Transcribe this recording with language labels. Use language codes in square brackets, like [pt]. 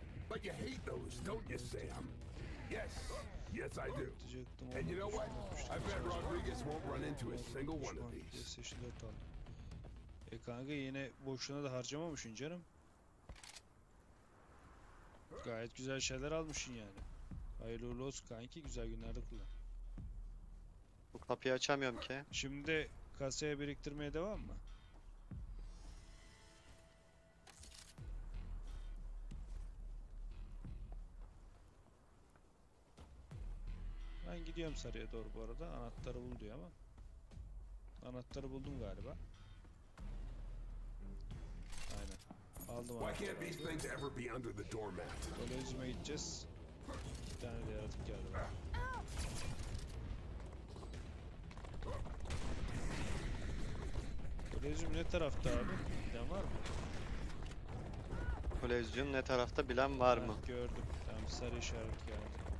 [en] But you hate those, don't you, Sam? Yes, I do. And you know what? I bet Rodriguez won't run into a single one of these. [tr] E kanka yine boşuna da harcamamışsın canım. Gayet güzel şeyler almışsın yani. Hayırlı uğurlu olsun kanki, güzel günlerde kullan. Bu kapıyı açamıyorum ki. Şimdi kasaya biriktirmeye devam mı? Ben gidiyorum sarıya doğru bu arada. Anahtarı bul diyor ama. Anahtarı buldum galiba. Aynen. Aldım [en] Why can't these things ever be under the doormat? [tr] Kolejime gideceğiz. İki tane de yaratık geldi bak. Kolejim ne tarafta abi? Giden var mı? Kolezyum ne tarafta bilen var Heh, mı? gördüm. Tamam, sarı işaret geldi.